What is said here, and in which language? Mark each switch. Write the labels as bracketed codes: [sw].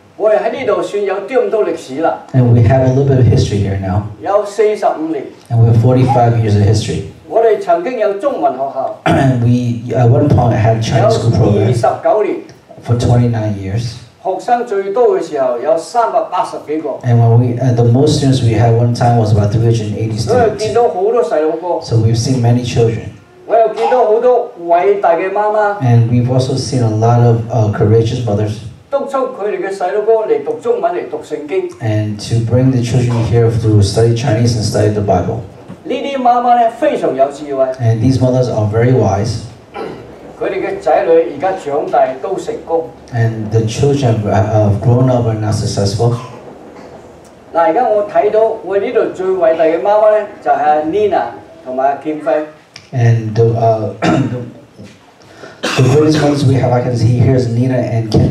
[yue] 我哋喺呢度算有啲咁多歷史啦。 [en] And we have a little bit of history here now. [yue] 有45年。 [en] And we have 45 years of history. [yue] 我哋曾經有中文學校。 [en] And we at one point had a Chinese school program. [yue] 29年。 [en] For 29 years. [yue] 學生最多嘅時候有380幾個。 [en] And when we the most students we had one time was about 380 students. [yue] 我又見到好多細路哥。 [en] So we've seen many children. [yue] 我又見到好多偉大嘅媽媽。 [en] And we've also seen a lot of courageous mothers. [yue] 督促佢哋嘅細路哥嚟讀中文嚟讀聖經。 [en] And to bring the children here to study Chinese and study the Bible. [yue] 呢啲媽媽咧非常有智慧。 [en] And these mothers are very wise. [yue] 佢哋嘅仔女而家長大都成功。 [en] And the children have grown up and are successful. [yue] 嗱，而家我睇到我呢度最偉大嘅媽媽咧就係 Nina 同埋阿劍輝。 [en] And the greatest ones we have, I can see here is Nina and Kim.